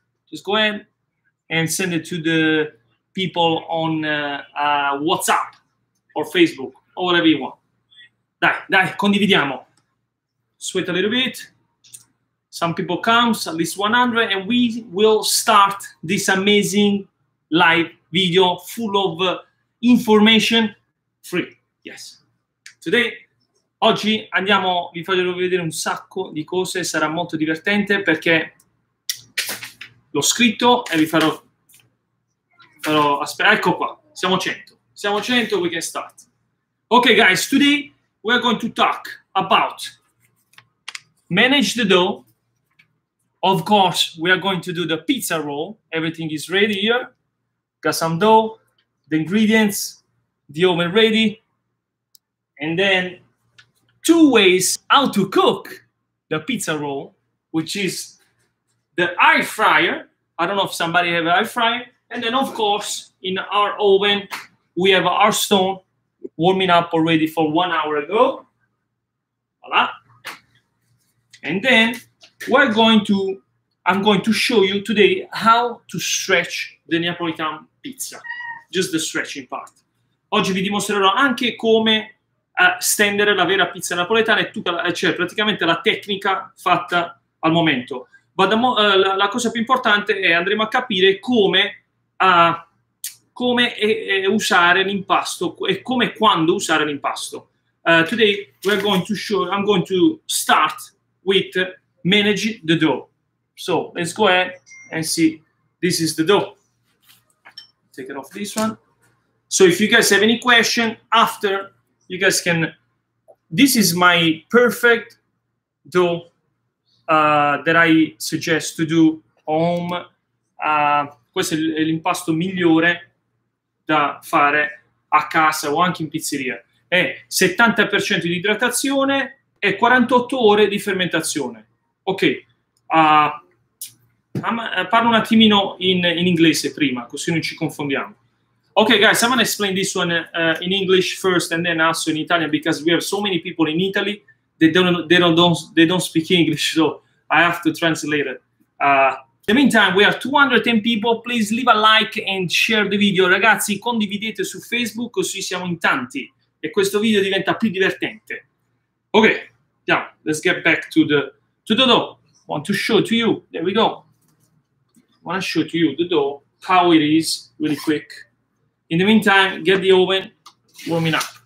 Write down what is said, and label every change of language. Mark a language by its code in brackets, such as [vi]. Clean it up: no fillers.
[en] Just go ahead and send it to the people on WhatsApp or Facebook or whatever you want. [it] Dai, condividiamo. [en] Sweat a little bit. Some people come, at least 100, and we will start this amazing live video full of information free. Yes. Today, [it] oggi andiamo, vi farò vedere un sacco di cose, sarà molto divertente perché l'ho scritto e vi farò aspetta, ecco qua, siamo 100, [en] we can start. Okay guys, today we are going to talk about manage the dough. Of course, we are going to do the pizza roll. Everything is ready here. Got some dough, the ingredients, the oven ready. And then two ways how to cook the pizza roll, which is the air fryer. I don't know if somebody have an air fryer. And then, of course, in our oven, we have our stone warming up already for 1 hour ago. Voila. And then I'm going to show you today how to stretch the Neapolitan pizza, just the stretching part. [it] Oggi vi dimostrerò anche come stendere la vera pizza napoletana e tutta cioè praticamente la tecnica fatta al momento. La cosa più importante è andremo a capire come usare l'impasto e come e quando usare l'impasto. [en] Today I'm going to start with manage the dough. So let's go ahead and see. This is the dough. Take it off this one. So if you guys have any question after, you guys can. This is my perfect dough that I suggest to do home. [it] Questo è l'impasto migliore da fare a casa o anche in pizzeria. È 70% di idratazione e 48 ore di fermentazione. Ok, parlo un attimino in inglese prima, così non ci confondiamo. [en] Ok, guys, I'm going to explain this one in English first and then also in Italian because we have so many people in Italy that they don't speak English, so I have to translate it. In the meantime, we have 210 people. Please leave a like and share the video. [it] Ragazzi, condividete su Facebook, così siamo in tanti e questo video diventa più divertente. [en] Ok, yeah, let's get back to the... To the dough, I want to show to you. There we go. I want to show to you the dough, how it is, really quick. In the meantime, get the oven warming up.